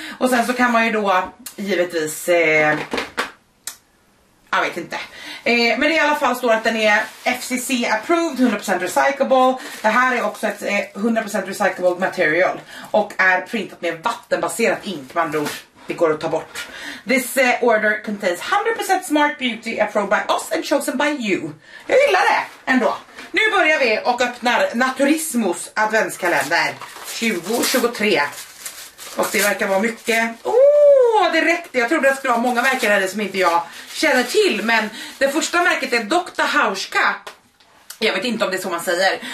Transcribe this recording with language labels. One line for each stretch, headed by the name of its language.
Swedish: Och sen så kan man ju då, givetvis, jag vet inte. Men det i alla fall står att den är
English: FCC approved, 100% recyclable.
Swedish: Det här är också ett
English: 100% recyclable
Swedish: material. Och är printat med vattenbaserat ink, med andra ord. Det går att ta bort.
English: This order contains 100% smart beauty approved by us and chosen by you.
Swedish: Jag gillar det ändå. Nu börjar vi och öppnar Naturismos adventskalender 2023. Och det verkar vara mycket. Det räckte. Jag trodde det skulle vara många märken här som inte jag känner till. Men det första märket är Dr. Hauschka. Jag vet inte om det är så man säger.